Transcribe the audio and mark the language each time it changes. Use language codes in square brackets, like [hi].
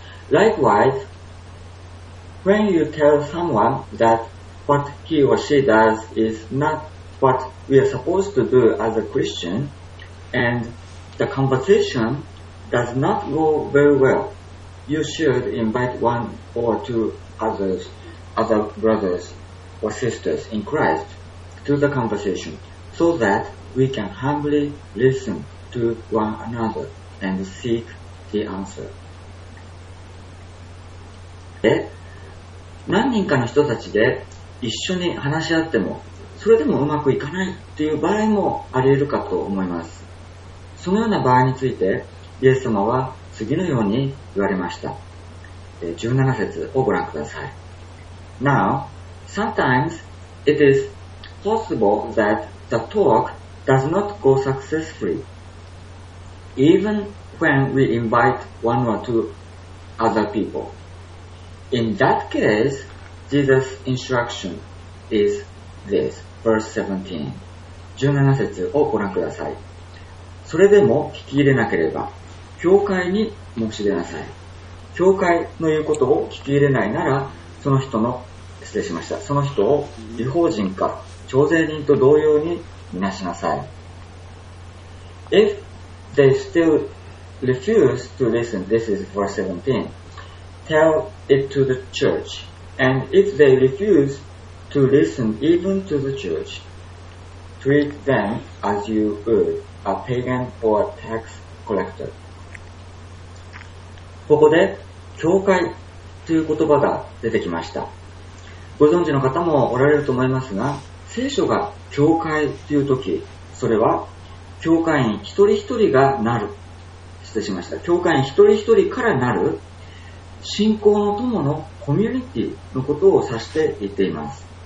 [en] Likewise, when you tell someone that what he or she does is not what we are supposed to do as a Christian, and the conversation does not go very well, you should invite one or two others, other brothers or sisters in Christ, to the conversation, so that we can humbly listen to one another and seek the answer. [ja] で、何人かの人たちで一緒に話し合っても、それでもうまくいかないという場合もあり得るかと思います。そのような場合についてイエス様は次のように言われました。 17節をご覧ください。 [en] Now, sometimes it is possible that the talk does not go successfully, even when we invite one or two other people. In that case,Jesus' instruction is this, verse 17. [ja] 17節をご覧ください。それでも聞き入れなければ、教会に申し出なさい。教会の言うことを聞き入れないなら、その人を違法人か、徴税人と同様にみなしなさい。 [en] If they still refuse to listen, this is verse 17, tell it to the church. And if they refuse to listen even to the church, treat them as you would a pagan or a tax collector. [ja] ここで教会という言葉が出てきました。ご存知の方もおられると思いますが、聖書が教会という時、それは教会員一人一人がなる、失礼しました、教会員一人一人からなる信仰の友のコミュニティのことを指して言っています。